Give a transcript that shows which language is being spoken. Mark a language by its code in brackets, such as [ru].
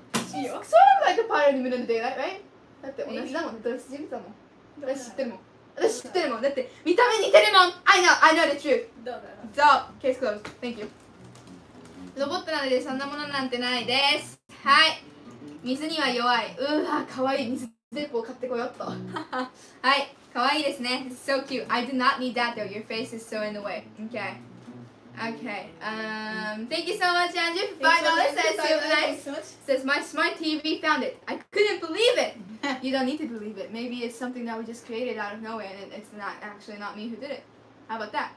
[en] She's sort of like a part of the middle of the daylight, right? [ja] だって同じだもん、ね、同じ人物だもん。私知ってるもん。だって見た目似てるもん。 [en] I know the truth. [ja] どうだろう。 [en] So, case closed. Thank you. [ja] ロボットなのでそんなものなんてないです。はい。水には弱い。うわ、かわいい。水鉄砲買ってこよっと。はい。かわいいですね。 [en] It's so cute. I do not need that though. Your face is so in the way. Okay. Okay. Thank you so much, Andrew. $5 says so nice. Says my smart TV found it. I couldn't believe it. You don't need to believe it. Maybe it's something that we just created out of nowhere, and it's not actually not me who did it. How about that?